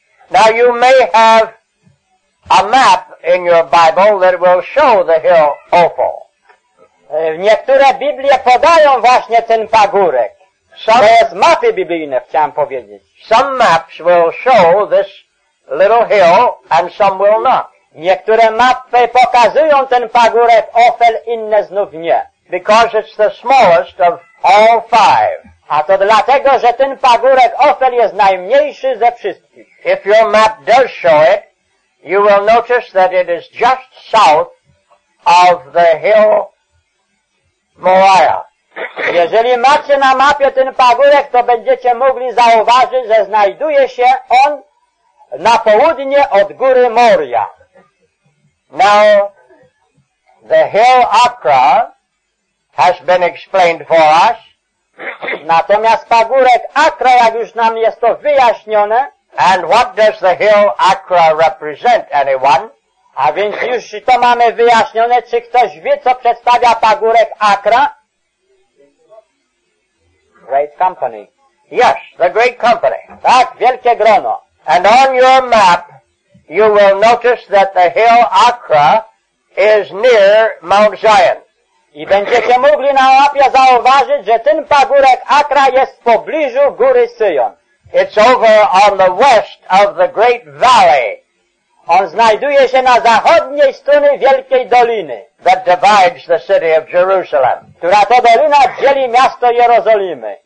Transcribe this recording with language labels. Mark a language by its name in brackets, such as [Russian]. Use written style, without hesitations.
[English] Now you may have a map in your Bible that will show the hill Ophel. [Polish] Niektóre Biblie podają właśnie ten pagórek. [English] Some, [Polish] to jest mapy biblijne, chciałem powiedzieć. [English] Some maps will show this little hill and some will not. [Polish] Niektóre mapy pokazują ten pagórek Ophel, inne znów nie. [English] Because it's the smallest of all five. [Polish] A to dlatego, że ten pagórek Ofel jest najmniejszy ze wszystkich. [English] If your map does show it, you will notice that it is just south of the hill Moriah. [Polish] Jeżeli macie na mapie ten pagórek, to będziecie mogli zauważyć, że znajduje się on na południe od góry Moria. [English] Now, the hill Acra has been explained for us. [Polish] Natomiast pagórek Acra, jak już nam jest to wyjaśnione. [English] And what does the hill Acra represent, anyone? [Polish] A więc już to mamy wyjaśnione, czy ktoś wie, co przedstawia pagórek Acra? [English] Great Company. Yes, the Great Company. [Polish] Tak, wielkie grono. [English] And on your map, you will notice that the hill Acra is near Mount Zion. [Polish] I będziecie mogli na mapie zauważyć, że ten pagórek Acra jest w pobliżu góry Syjon. [English] It's over on the west of the Great Valley. [Polish] On znajduje się na zachodniej stronie Wielkiej Doliny. [English] That divides the city of Jerusalem. [Polish] Która to dolina dzieli miasto Jerozolimy.